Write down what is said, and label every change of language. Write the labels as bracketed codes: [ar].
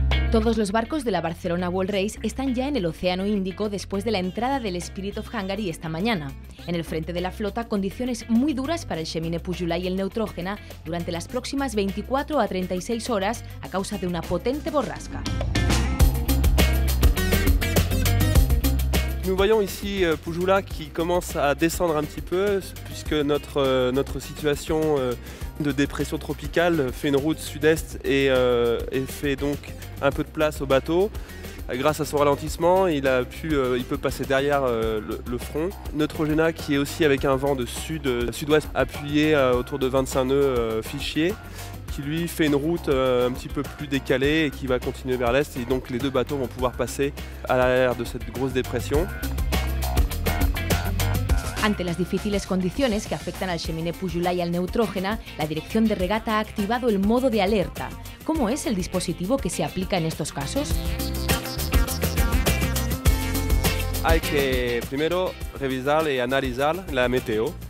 [es] Todos los barcos de la Barcelona World Race están ya en el Océano Índico después de la entrada del Spirit of Hungary esta mañana. En el frente de la flota, condiciones muy duras para el Chemin Pujulá y el Neutrógena durante las próximas 24 a 36 horas a causa de una potente borrasca. [fr] Nous voyons ici Pujulá qui commence à descendre un petit peu puisque notre situation de dépression tropicale fait une route sud-est et fait donc un peu de place au bateau. Grâce à son ralentissement, il peut passer derrière le front. Neutrogena qui est aussi avec un vent de sud-ouest appuyé autour de 25 nœuds fichiers, qui lui fait une route un petit peu plus décalée et qui va continuer vers l'est. Et donc les deux bateaux vont pouvoir passer à l'arrière de cette grosse dépression. [es] Ante las difíciles condiciones que afectan al Chemin Pujulá y al Neutrógena, la dirección de regata ha activado el modo de alerta. ¿Cómo es el dispositivo que se aplica en estos casos? Hay que primero revisar y analizar la meteo.